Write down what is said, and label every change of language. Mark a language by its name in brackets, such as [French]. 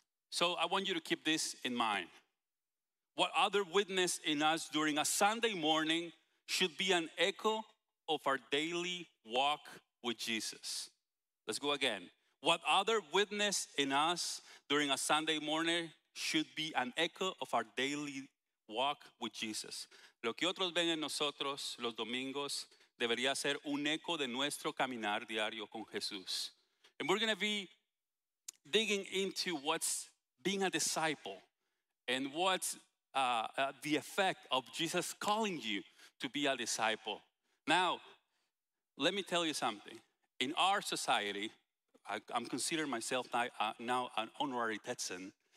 [English] So I want you to keep this in mind. What other witness in us during a Sunday morning should be an echo of our daily walk with Jesus? Let's go again. What other witness in us during a Sunday morning should be an echo of our daily walk with Jesus? [Spanish] Lo que otros ven en nosotros los domingos debería ser un eco de nuestro caminar diario con Jesús. [English] And we're going to be digging into what's being a disciple and what's the effect of Jesus calling you to be a disciple. Now, let me tell you something. In our society, I'm considering myself now an honorary Texan.